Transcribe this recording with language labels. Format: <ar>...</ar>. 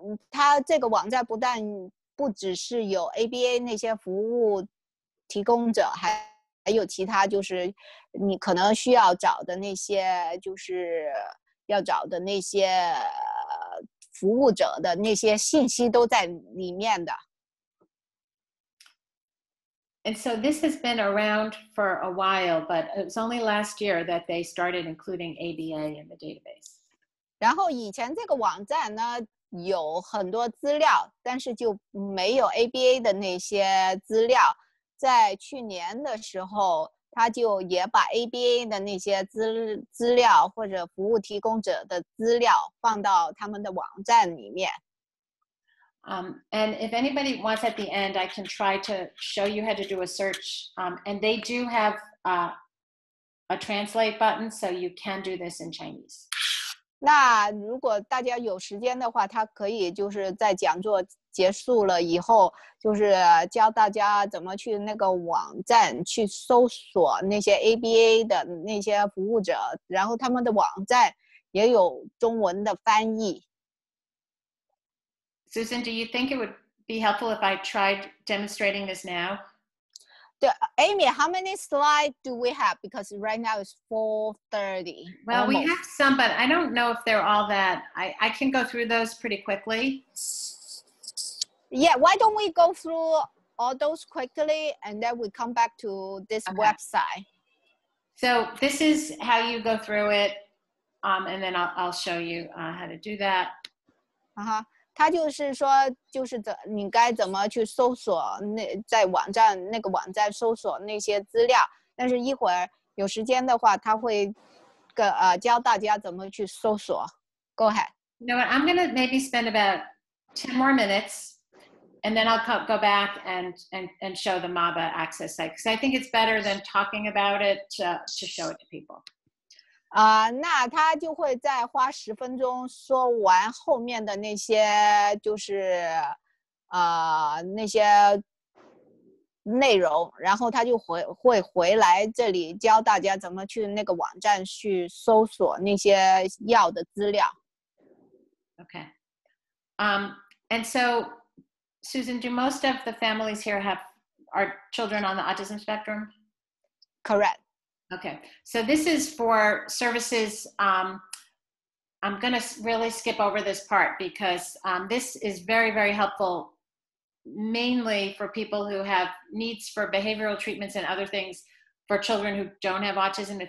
<zh>他这个网站不只是有 ABA 那些服务提供者，还有其他就是你可能需要找的那些就是要找的那些服务者的那些信息都在里面的。</zh> <en>And so this has been around for a while, but it was only last year that they started including ABA in the database.</en> <zh>然后以前这个网站呢有很多资料，但是就没有 ABA 的那些资料，在去年的时候他就也把 ABA 的那些资料或者服务提供者的资料放到他们的网站里面。</zh> <en>And if anybody wants at the end, I can try to show you how to do a search. And they do have a translate button, so you can do this in Chinese.</en> <zh>那如果大家有时间的话，他可以就是在讲座结束了以后，就是教大家怎么去那个网站去搜索那些 ABA 的那些服务者，然后他们的网站也有中文的翻译。</zh> <en>Susan, do you think it would be helpful if I tried demonstrating this now? Amy, how many slides do we have? Because right now it's 4:30. Well, almost. We have some, but I don't know if they're all that. I can go through those pretty quickly. Yeah, why don't we go through all those quickly and then we come back to this okay. website. So this is how you go through it. And then I'll show you how to do that. Uh-huh.</en> <zh>他就是说就是你该怎么去搜索那在网站那个网站搜索那些资料但是一会儿有时间的话他会教大家怎么去搜索</zh> <en>Go ahead. You know what, I'm going to maybe spend about 10 more minutes and then I'll go back and show the MABA access site because I think it's better than talking about it to show it to people.</en> <zh>那他就会再花十分钟说完后面的那些就是那些内容然后他就会回来这里教大家怎么去那个网站去搜索那些药的资料</zh> <en>Okay. And so Susan, do most of the families here have our children on the autism spectrum? Correct. Okay, so this is for services. I'm going to really skip over this part because this is very, very helpful mainly for people who have needs for behavioral treatments and other things for children who don't have autism.</en>